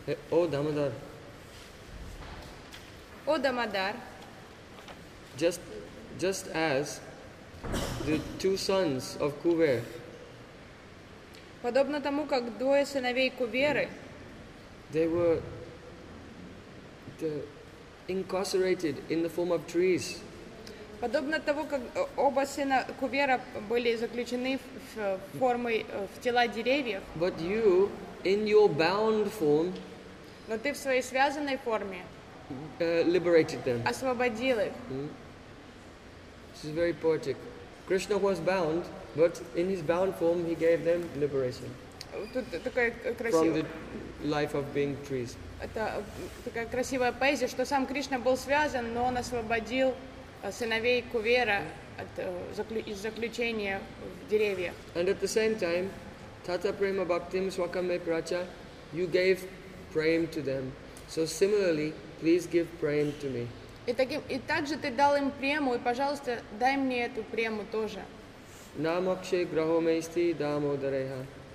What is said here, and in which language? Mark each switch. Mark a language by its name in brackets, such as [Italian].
[English] O Damodar. O Damodar. Just as the two sons of Kuvera. [Russian] Подобно тому, как двое сыновей Куверы, [English] they were incarcerated in the form of trees. [Russian] Подобно тому, как оба сына Кувера были заключены в формы в тела деревьев. [English] But you, in your bound form, [Russian] но ты в своей связанной форме, [English] liberated them. [Russian] Освободил их. [English] This is very poetic. Krishna was bound. But in his bound form, he gave them liberation. [Russian] Тут такая красивая. [English] From the life of being trees. [Russian] Это такая красивая поэзия, что сам Кришна был связан, но он освободил сыновей Кувера из заключения в деревьях. [English] And at the same time, [Sanskrit] Tata Prema Bhaktim Swakame Pracha, [English] you gave Prem to them. So similarly, please give Prem to me. [Russian] И также ты дал им прему, и пожалуйста, дай мне эту прему тоже. [Sanskrit] Намакше грахомейсти дамодареха.